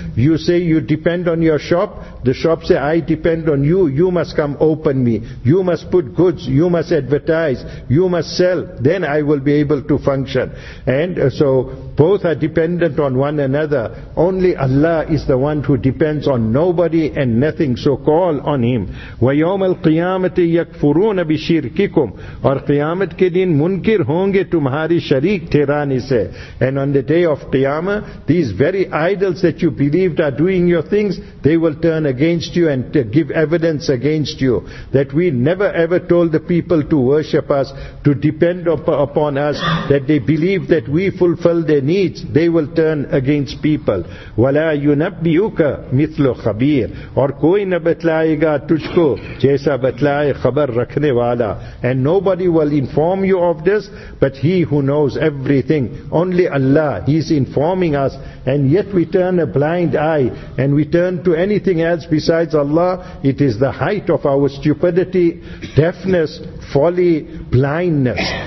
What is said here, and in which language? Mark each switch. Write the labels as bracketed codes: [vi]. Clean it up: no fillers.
[en] You say you depend on your shop. The shop say, I depend on you. You must come open me. You must put goods. You must advertise. You must sell. Then I will be able to function. And so both are dependent on one another. Only Allah is the one who depends on nobody and nothing. So call on Him. [ar] وَيَوْمَ الْقِيَامَةِ يَكْفُرُونَ بِشِرْكِكُمْ [ur] اور قیامت کے دن منکر ہوں گے تمہاری شریک ٹھہرانے سے. [en] And on the day of Qiyamah, these very idols that you believed are doing your things, they will turn against you and give evidence against you. That we never ever told the people to worship us, to depend upon us, that they believe that we fulfill their needs, they will turn against people. [ar] وَلَا يُنَبِّيُكَ مِثْلُ خبیر [ur] اور کوئی نہ بتلائے گا تجھ کو جیسا بتلائے خبر رکھنے والا. [en] And nobody will inform you of this but he who knows everything, only Allah, he is informing us. And yet we turn a blind eye and we turn to anything else besides Allah. It is the height of our stupidity, deafness, folly, blindness.